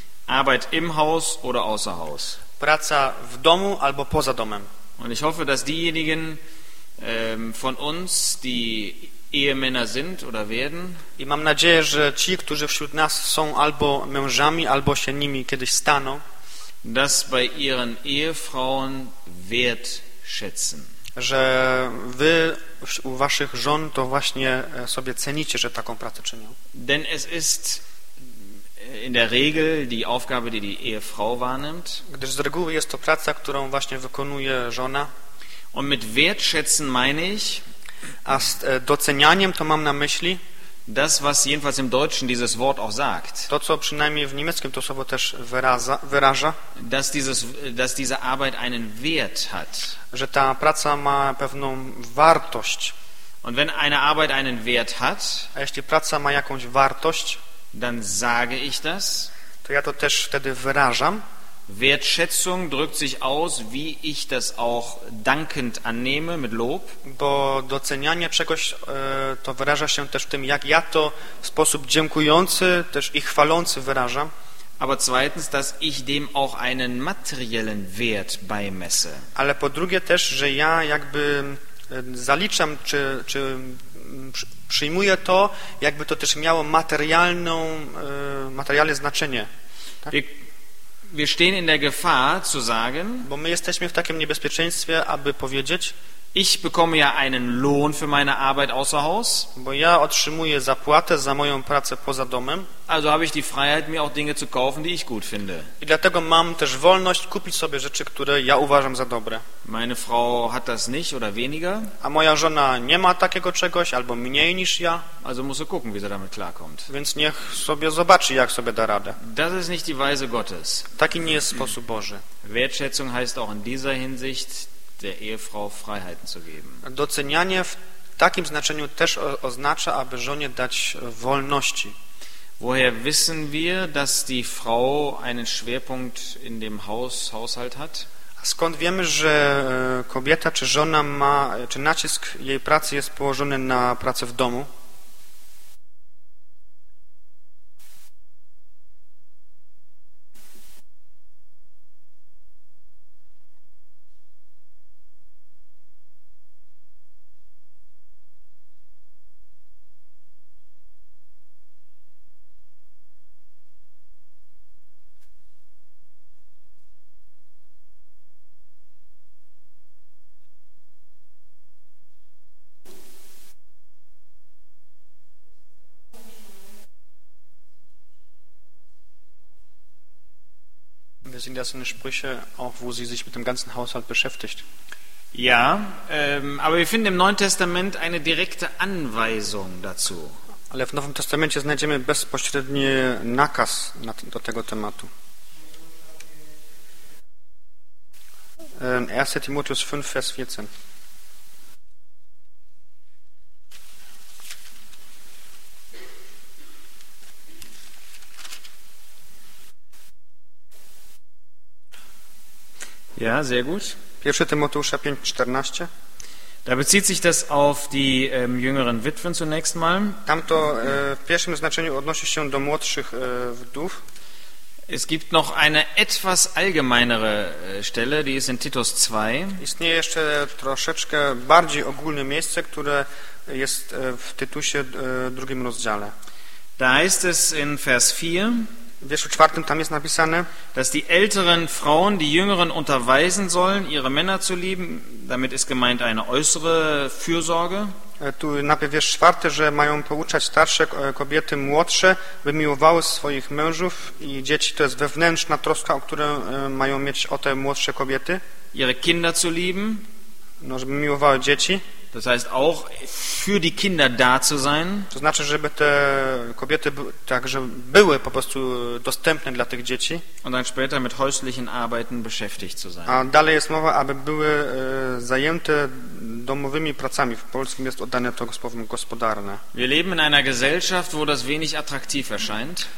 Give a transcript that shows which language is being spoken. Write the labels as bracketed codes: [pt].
[de] Arbeit im Haus oder außer Haus. [pl] Praca w domu albo poza domem. [de] Und ich hoffe, dass diejenigen von uns, die Ehemänner sind oder werden. [pl] I mam nadzieję, że ci, którzy wśród nas są albo mężami, albo się nimi kiedyś staną, [de] dass bei ihren Ehefrauen wert schätzen. [pl] Że wy u waszych żon to właśnie sobie cenicie, że taką pracę czynią. [de] Denn es ist in der Regel die Aufgabe, die die Ehefrau wahrnimmt. [pl] Gdyż z reguły jest to praca, którą właśnie wykonuje żona. [de] Und mit wertschätzen meine ich, [pl] a z docenianiem to mam na myśli [de] das, was jedenfalls im Deutschen dieses Wort auch sagt, [pl] to co przynajmniej w niemieckim to słowo też wyraża, [de] dass diese Arbeit einen Wert hat, [pl] że ta praca ma pewną wartość. [de] Und wenn eine Arbeit einen Wert hat, [pl] a jeśli praca ma jakąś wartość, [de] dann sage ich das, [pl] to ja to też wtedy wyrażam. [de] Wertschätzung drückt sich aus, wie ich das auch dankend annehme mit Lob. [pl] Bo docenianie czegoś to wyraża się też tym, jak ja to w sposób dziękujący też i chwalący wyrażam. [de] Aber zweitens, dass ich dem auch einen materiellen Wert beimesse. [pl] Ale po drugie też, że ja jakby zaliczam czy przyjmuję to, jakby to też miało materialne znaczenie. Tak? [de] Wir stehen in der Gefahr zu sagen, [pl] bo my jesteśmy w takim niebezpieczeństwie, aby powiedzieć, [de] ich bekomme ja einen Lohn für meine Arbeit außer Haus, [pl] bo ja otrzymuję zapłatę za moją pracę poza domem, [de] also habe ich die Freiheit, mir auch Dinge zu kaufen, die ich gut finde. [pl] I dlatego mam też wolność kupić sobie rzeczy, które ja uważam za dobre. [de] Meine Frau hat das nicht oder weniger. [pl] A moja żona nie ma takiego czegoś albo mniej niż ja, [de] also muss sie gucken, wie sie damit klarkommt. [pl] Więc niech sobie zobaczy, jak sobie da radę. [de] Das ist nicht die Weise Gottes. [pl] Taki nie jest sposób Boży. [de] Wertschätzung heißt auch in dieser Hinsicht der Ehefrau Freiheiten zu geben. [pl] Docenianie w takim znaczeniu też oznacza, aby żonie dać wolności. [de] Woher wissen wir, dass die Frau einen Schwerpunkt in dem Haushalt hat? [pl] Skąd wiemy, że kobieta czy żona ma, czy nacisk jej pracy jest położony na pracę w domu? [de] Sind das eine Sprüche, auch wo sie sich mit dem ganzen Haushalt beschäftigt? Ja, aber wir finden im Neuen Testament eine direkte Anweisung dazu. [pl] Ale w Nowym Testamencie znajdziemy bezpośredni nakaz do tego tematu. [de] 1. Timotheus 5, Vers 14. Ja, sehr gut. [pl] 1. Timoteusza 5, 14. [de] Da bezieht sich das auf die jüngeren Witwen zunächst mal. [pl] Tam to w pierwszym znaczeniu odnosi się do młodszych wdów. [de] Es gibt noch eine etwas allgemeinere Stelle, die ist in Titus 2. [pl] Istnieje jeszcze troszeczkę bardziej ogólne miejsce, które jest w Tytusie drugim rozdziale. [de] Da heißt es in Vers 4. [pl] W wierszu czwartym tam jest napisane, [de] dass die älteren Frauen die jüngeren unterweisen sollen, ihre Männer zu lieben. Damit ist gemeint eine äußere Fürsorge. [pl] Tu napisane wiersz czwarty, że mają pouczać starsze kobiety młodsze, by miłowały swoich mężów i dzieci. To jest wewnętrzna troska, o którą mają mieć o te młodsze kobiety. [de] Ihre Kinder zu lieben. [pl] No, żeby miłowały dzieci. [de] Das heißt auch für die Kinder da zu sein. [pl] To znaczy, żeby te kobiety także były po prostu dostępne dla tych dzieci. [de] Und dann später mit häuslichen Arbeiten beschäftigt zu sein. [pl] A dalej jest mowa, aby były zajęte domowymi pracami. W polskim jest oddane to słowem gospodarne. [de] Wir leben in einer Gesellschaft, wo das wenig attraktiv erscheint.